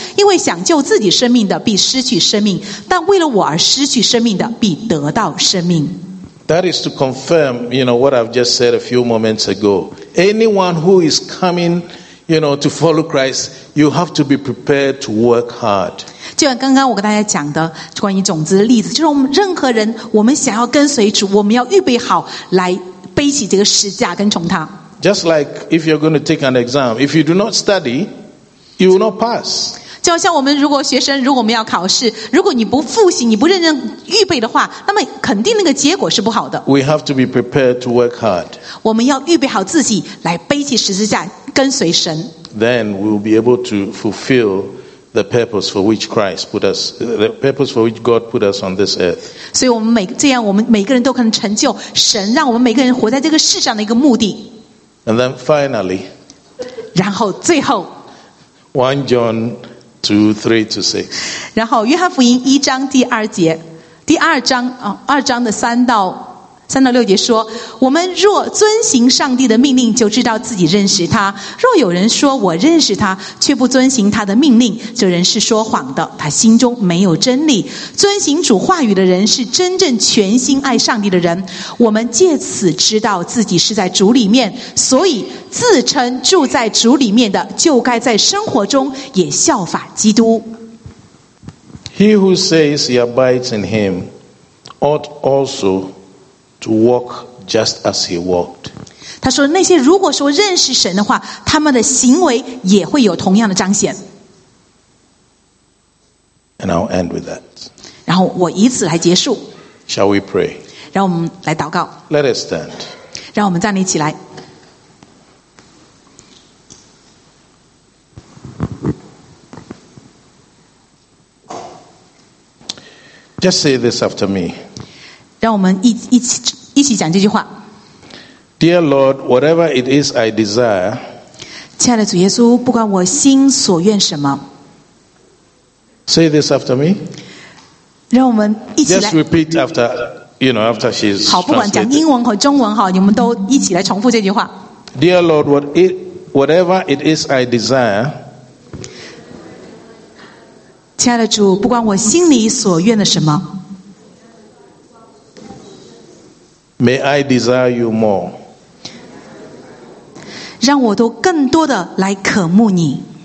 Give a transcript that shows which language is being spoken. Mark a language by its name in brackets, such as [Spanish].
[Chinese] 因为想救自己生命的，必失去生命；但为了我而失去生命的，必得到生命。” [English] That is to confirm, you know, what I've just said a few moments ago. Anyone who is coming, you know, to follow Christ, you have to be prepared to work hard. [Chinese] 就像刚刚我跟大家讲的关于种子的例子就是我们任何人我们想要跟随主我们要预备好来背起这个十字架跟从他 [English] Just like if you're going to take an exam If you do not study You will not pass [Chinese] 就好像我们如果学生如果我们要考试如果你不复习你不认真预备的话那么肯定那个结果是不好的 [English] We have to be prepared to work hard [Chinese] 我们要预备好自己来背起十字架跟随神 [English] Then we will be able to fulfillThe purpose for which Christ put us, the purpose for which God put us on this earth. [Chinese] 所以我们这样，我们每个人都可能成就神让我们每个人活在这个世上的一个目的。 [English] And then finally, [Chinese] 然后最后 [English] 1 John 2, 3 to 6. [Chinese] 然后约翰福音一章第二节，第二章，二章的三到六节说我们若遵行上帝的命令就知道自己认识他若有人说我认识他却不遵行他的命令这人是说谎的他心中没有真理遵行主话语的人是真正全心爱上帝的人我们借此知道自己是在主里面所以自称住在主里面的就该在生活中也效法基督 [English] He who says he abides in him ought alsoTo walk just as he walked. [Chinese] 他说那些如果说认识神的话他们的行为也会有同样的彰显。 [English] And I'll end with that. [Chinese] 然后我以此来结束。 [English] Shall we pray? [Chinese] 让我们来祷告。 [English] Let us stand. [Chinese] 让我们站立起来。 [English] just say this after me. [Chinese] 让我们一起讲这句话。 [English] Dear Lord, whatever it is I desire, [Chinese] 亲爱的主耶稣，不管我心所愿什么。 [English] Say this after me. [Chinese] 让我们一起来。 [English] Just repeat after, you know, after she's translated. [Chinese] 好，不管讲英文和中文，你们都一起来重复这句话。 [English] Dear Lord, whatever it is I desire, [Chinese] 亲爱的主，不管我心里所愿的什么。 [English] May I desire you more. [Chinese] 让我都更多的来渴慕你。